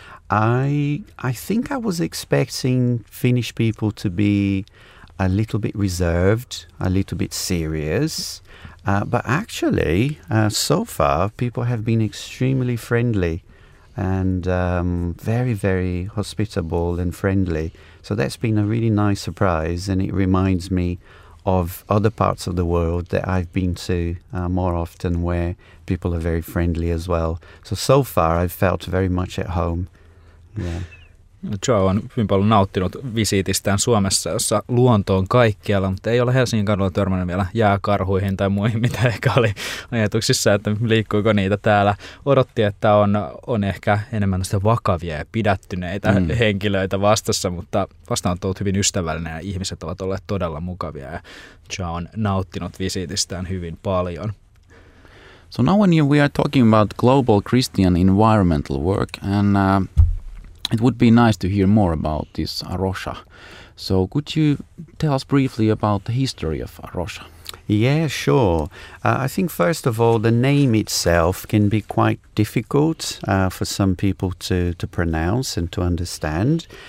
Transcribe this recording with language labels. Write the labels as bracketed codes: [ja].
[en] I think I was expecting Finnish people to be a little bit reserved, a little bit serious, but actually, so far, people have been extremely friendly and very, very hospitable and friendly. So that's been a really nice surprise, and it reminds me of other parts of the world that I've been to more often, where people are very friendly as well. So far I've felt very much at home. Yeah. [fi] Joe on hyvin paljon nauttinut visiitistään Suomessa, jossa luonto on kaikkialla, mutta ei ole Helsingin kadulla törmännyt vielä jääkarhuihin tai muihin, mitä ehkä oli ajatuksissa, että liikkuiko niitä täällä. Odotti, että on ehkä enemmän tästä vakavia ja pidättyneitä henkilöitä vastassa, mutta vastaanotto on ollut hyvin ystävällinen ja ihmiset ovat olleet todella mukavia ja Joe on nauttinut visiitistään hyvin paljon. [en] So now when we are talking about global Christian environmental work and... It would be nice to hear more about this Arosha. So could you tell us briefly about the history of Arosha? Yeah, sure. I think first of all, the name itself can be quite difficult for some people to pronounce and to understand.